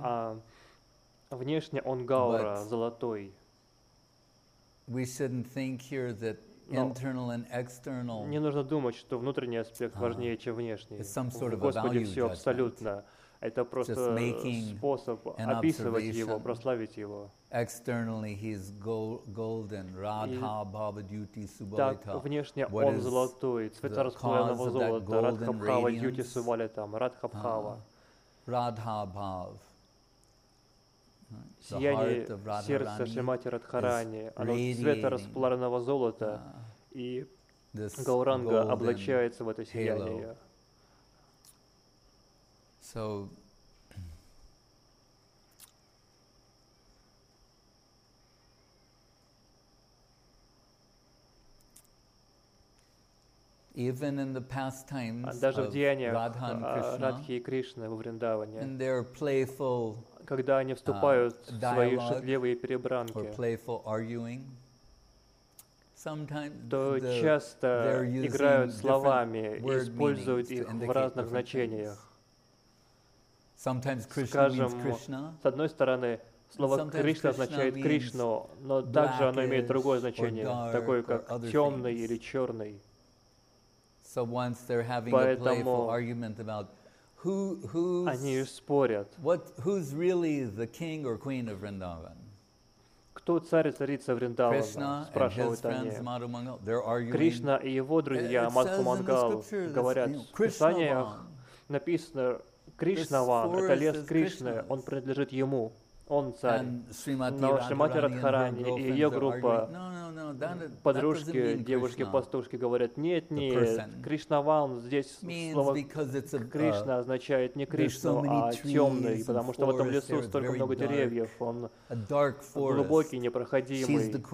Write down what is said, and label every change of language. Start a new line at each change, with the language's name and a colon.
Russian: А внешне он Гаура, золотой.
English: We shouldn't think here that internal and external.
Russian: Не нужно думать, что внутренний аспект важнее, чем внешний.
English: It's some sort of value judgment.
Russian: Господи, все абсолютно. Это просто способ описывать его, прославить его.
English: Externally he's golden, Radha, Bhava, Duty, Subalita.
Russian: Так, внешне он золотой, цвет раскаленного золота, Радха, Бхава, Дьюти, Субалита, Радха, Бхава. Радха, Бхав. Сияние сердца Шримати Радхарани, оно цвета раскаленного золота, и Гауранга облачается в это сияние.
English: So, even in the pastimes of Radha and Krishna,
Russian: Радхи и Кришны во Вриндаване,
English: in their playful,
Russian: когда они вступают в свои шутливые перебранки,
English: or playful arguing, sometimes
Russian: то часто играют словами и используют их в разных значениях.
English: Sometimes Krishna
Russian: Скажем,
English: means Krishna.
Russian: С одной стороны, слово Кришна означает Кришну, но также оно имеет другое значение, такое как темный или черный.
English: So once they're having
Russian: Поэтому
English: a playful argument about who's
Russian: они спорят.
English: What who's really the king or queen of Vrindavan?
Russian: Кто царь и царица Вриндавана?
English: Krishna
Russian: спрашивают
English: and his
Russian: они.
English: Arguing,
Russian: Кришна и его друзья Мадху Мангал говорят в писаниях написано. Кришнаван — это лес Кришны, он принадлежит ему, он царь. Но Шримати Радхарани и ее группа, подружки, девушки-пастушки говорят, нет, нет, Кришнаван, здесь слово Кришна означает не Кришну, а темный, потому что в этом лесу столько много деревьев, он глубокий, непроходимый.